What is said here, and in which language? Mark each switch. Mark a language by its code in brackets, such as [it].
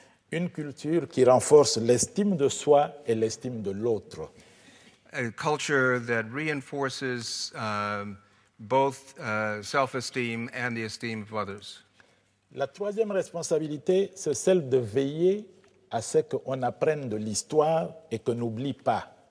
[fr] Une culture qui renforce l'estime de soi et l'estime de l'autre. [en] A culture that reinforces both self-esteem and the esteem of others. [fr] La troisième responsabilité, c'est celle de veiller à ce qu'on apprenne de l'histoire et qu'on n'oublie pas.